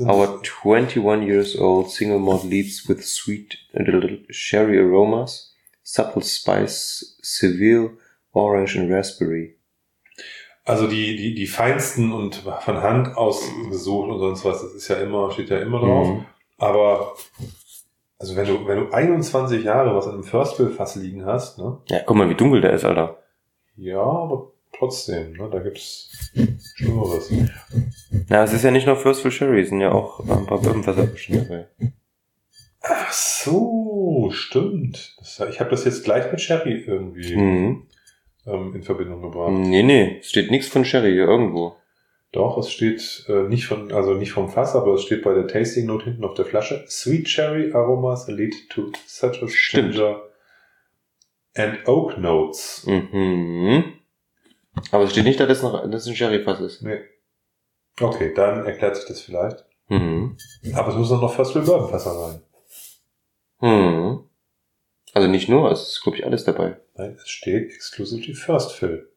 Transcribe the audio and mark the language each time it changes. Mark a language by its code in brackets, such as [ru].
[en] Our 21 years old single malt leaves with sweet and a little sherry aromas, subtle spice, Seville, orange and raspberry. [de] Also die feinsten und von Hand ausgesucht und sonst was, das ist ja immer, steht ja immer drauf. Mhm. Aber also wenn du 21 Jahre was in einem First Fill Fass liegen hast, ne? Ja, guck mal, wie dunkel der ist, Alter. Ja, aber trotzdem, ne, da gibt's Schlimmeres. Na, es ist ja nicht nur First Fill Sherry, es sind ja auch ein paar Birkenfässer bestimmt dabei. Ach so, stimmt. Ich habe das jetzt gleich mit Sherry irgendwie in Verbindung gebracht. Nee, es steht nichts von Sherry hier irgendwo. Doch, es steht nicht vom Fass, aber es steht bei der Tasting Note hinten auf der Flasche. [en] Sweet Sherry Aromas lead to citrus, ginger and oak notes. Mhm. [de] Aber es steht nicht, dass es ein Sherry-Fass ist. Nee. Okay, dann erklärt sich das vielleicht. Mhm. Aber es muss auch noch First Fill Bourbon-Fässer sein. Mhm. Also nicht nur, es ist, glaube ich, alles dabei. Nein, es steht exklusiv die First Fill.